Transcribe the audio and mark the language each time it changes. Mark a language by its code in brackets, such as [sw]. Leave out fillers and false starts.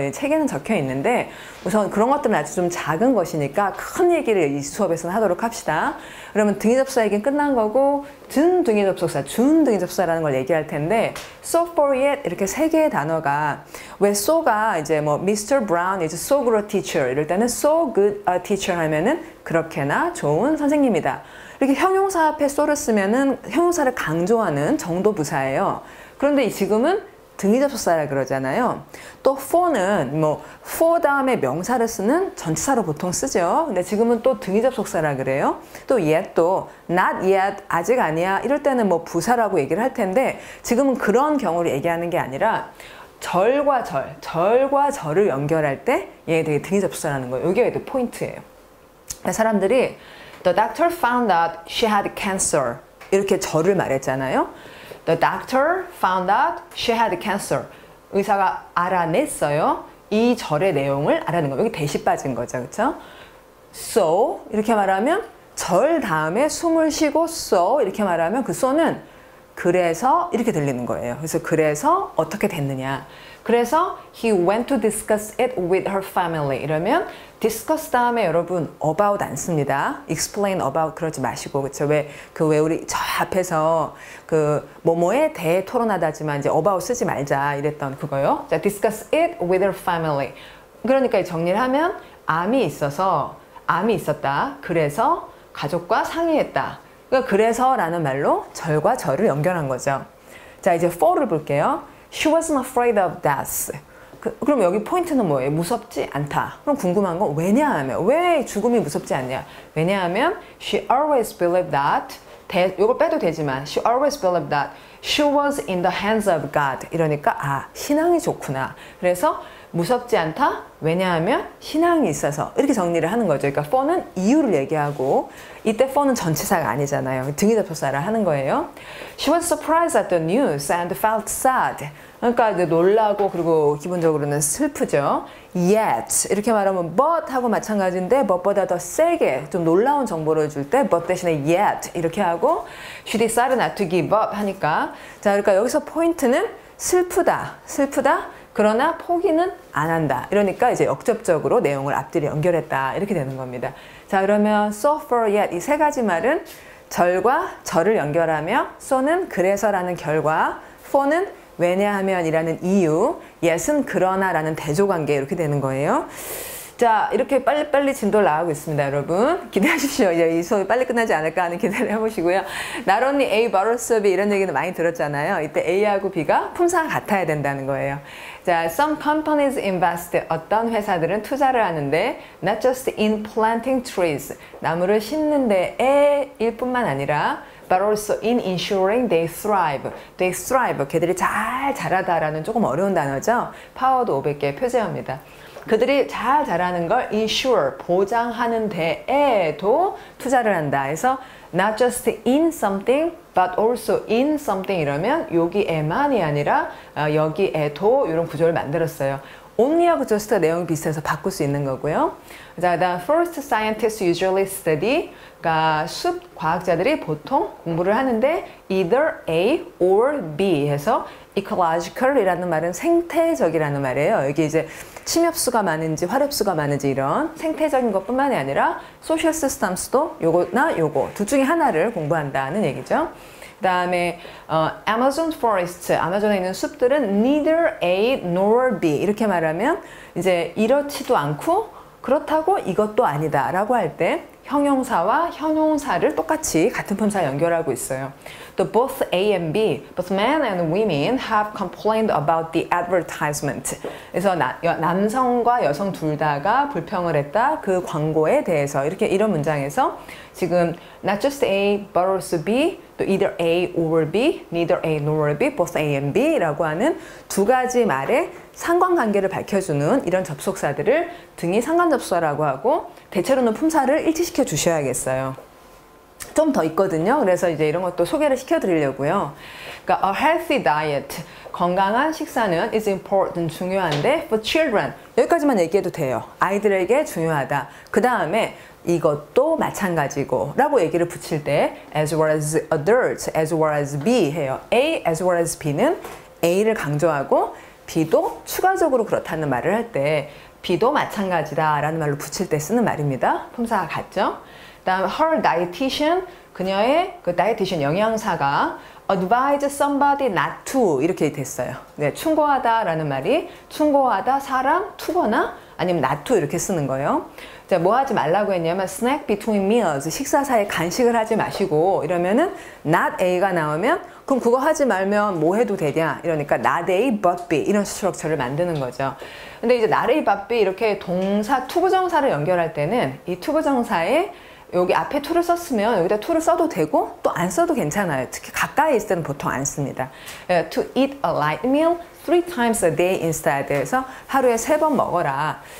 [ko] 예, 책에는 적혀 있는데 우선 그런 것들은 아주 좀 작은 것이니까 큰 얘기를 이 수업에서는 하도록 합시다. 그러면 등의 접속사 얘기는 끝난 거고 준 등의 접속사, 준 등의 접속사라는 걸 얘기할 텐데 so for yet 이렇게 세 개의 단어가 왜 so가 이제 뭐 Mr. [en] Brown is so good a teacher [ko] 이럴 때는 [en] so good a teacher [ko] 하면은 그렇게나 좋은 선생님이다. 이렇게 형용사 앞에 so를 쓰면은 형용사를 강조하는 정도 부사예요. 그런데 지금은 등의 접속사라 그러잖아요. 또 for는 뭐 for 다음에 명사를 쓰는 전치사로 보통 쓰죠. 근데 지금은 또 등의 접속사라 그래요. 또 yet도 not yet 아직 아니야 이럴 때는 뭐 부사라고 얘기를 할 텐데 지금은 그런 경우를 얘기하는 게 아니라 절과 절, 절과 절을 연결할 때 얘 되게 등의 접속사라는 거예요. 이게 또 포인트예요. 사람들이 [en] the doctor found out she had cancer [ko] 이렇게 절을 말했잖아요. [en] The doctor found out she had cancer. [ko] 의사가 알아냈어요. 이 절의 내용을 알아낸 거예요. 여기 대시 빠진 거죠. 그렇죠? So 이렇게 말하면 절 다음에 숨을 쉬고 so 이렇게 말하면 그 so는 그래서 이렇게 들리는 거예요. 그래서 그래서 어떻게 됐느냐. 그래서 [en] he went to discuss it with her family. [ko] 이러면 discuss 다음에 여러분 about 안 씁니다. explain about 그러지 마시고 그쵸? 왜 우리 저 앞에서 그 뭐뭐에 대해 토론하다지만 이제 about 쓰지 말자 이랬던 그거요. [en] 자, discuss it with her family. [ko] 그러니까 정리를 하면 암이 있었다. 그래서 가족과 상의했다. 그러니까 그래서 라는 말로 절과 절을 연결한 거죠. 자, 이제 for를 볼게요. [en] She wasn't afraid of death. [ko] 그럼 여기 포인트는 뭐예요? 무섭지 않다. 그럼 궁금한 건 왜냐하면 왜 죽음이 무섭지 않냐? [en] 왜냐하면 she always believed that [ko] 요걸 빼도 되지만 [en] she always believed that she was in the hands of God [ko] 이러니까 아 신앙이 좋구나. 그래서 무섭지 않다. 왜냐하면 신앙이 있어서 이렇게 정리를 하는 거죠. 그러니까 for는 이유를 얘기하고 이때 for는 전치사가 아니잖아요. 등이 덮여서 하는 거예요. [en] She was surprised at the news and felt sad. [ko] 그러니까 이제 놀라고 그리고 기본적으로는 슬프죠. Yet 이렇게 말하면 but 하고 마찬가지인데 but보다 더 세게 좀 놀라운 정보를 줄 때 but 대신에 yet 이렇게 하고 [en] she decided not to give up [ko] 하니까 자 그러니까 여기서 포인트는 슬프다 그러나 포기는 안 한다 이러니까 이제 역접적으로 내용을 앞뒤로 연결했다 이렇게 되는 겁니다. 자 그러면 so for yet 이 세 가지 말은 절과 절을 연결하며 so는 그래서라는 결과 for는 왜냐하면 이라는 이유, yet은 그러나 라는 대조관계 이렇게 되는 거예요. 자 이렇게 빨리빨리 진도를 나가고 있습니다. 여러분 기대하십시오. 이제 이 수업이 빨리 끝나지 않을까 하는 기대를 해보시고요. [en] Not only A but also B [ko] 이런 얘기는 많이 들었잖아요. 이때 A하고 B가 품상 같아야 된다는 거예요. [en] 자 some companies invest [ko] 어떤 회사들은 투자를 하는데 [en] not just in planting trees [ko] 나무를 심는 데에 일뿐만 아니라 [en] but also in ensuring they thrive. They thrive. [ko] 걔들이 잘 자라다라는 조금 어려운 단어죠. 파워드 500개 표제어입니다. 그들이 잘 자라는 걸 ensure, 보장하는 데에도 투자를 한다. 해서 not just in something, but also in something 이러면 여기에만이 아니라 여기에도 이런 구조를 만들었어요. only하고 just가 내용이 비슷해서 바꿀 수 있는 거고요. 자, [en] the first scientists usually study [ko] 그러니까 숲 과학자들이 보통 공부를 하는데 either A or B 해서 ecological이라는 말은 생태적이라는 말이에요. 여기 이제 침엽수가 많은지 화렵수가 많은지 이런 생태적인 것뿐만이 아니라 social systems도 요거나 요거 둘 중에 하나를 공부한다는 얘기죠. 그 다음에 Amazon Forest, 아마존에 있는 숲들은 neither A nor B 이렇게 말하면 이제 이렇지도 않고 그렇다고 이것도 아니다 라고 할 때 형용사와 형용사를 똑같이 같은 품사 연결하고 있어요. [en] The both A and B, both men and women have complained about the advertisement. [ko] 그래서 남성과 여성 둘 다가 불평을 했다. 그 광고에 대해서 이렇게 이런 문장에서 지금 not just A but also B, either A or B, neither A nor B, both A and B 라고 하는 두 가지 말의 상관관계를 밝혀주는 이런 접속사들을 등이 상관접속사라고 하고 대체로는 품사를 일치시켜 주셔야겠어요. 좀 더 있거든요. 그래서 이제 이런 것도 소개를 시켜드리려고요. 그러니까 [en] a healthy diet, [ko] 건강한 식사는 [en] is important, [ko] 중요한데 [en] for children, [ko] 여기까지만 얘기해도 돼요. 아이들에게 중요하다. 그 다음에 이것도 마찬가지고 라고 얘기를 붙일 때 [en] as well as adults, [ko] as well as B 해요. A as well as B는 A를 강조하고 B도 추가적으로 그렇다는 말을 할 때 B도 마찬가지다 라는 말로 붙일 때 쓰는 말입니다. 품사가 같죠? 다음 her dietitian 그녀의 그 dietitian 영양사가 advise somebody not to 이렇게 됐어요. 네, 충고하다 라는 말이 충고하다 사람 투거나 아니면 not to 이렇게 쓰는 거예요. 자, 뭐 하지 말라고 했냐면 [en] snack between meals [ko] 식사 사이에 간식을 하지 마시고 이러면은 not A가 나오면 그럼 그거 하지 말면 뭐 해도 되냐 이러니까 not A but B 이런 스트럭처를 만드는 거죠. 근데 이제 not A but B 이렇게 동사 투부정사를 연결할 때는 이 투부정사에 여기 앞에 to를 썼으면 여기다 to를 써도 되고 또 안 써도 괜찮아요. 특히 가까이 있을 때는 보통 안 씁니다. [en] To eat a light meal three times a day instead [ko] 해서 하루에 세 번 먹어라.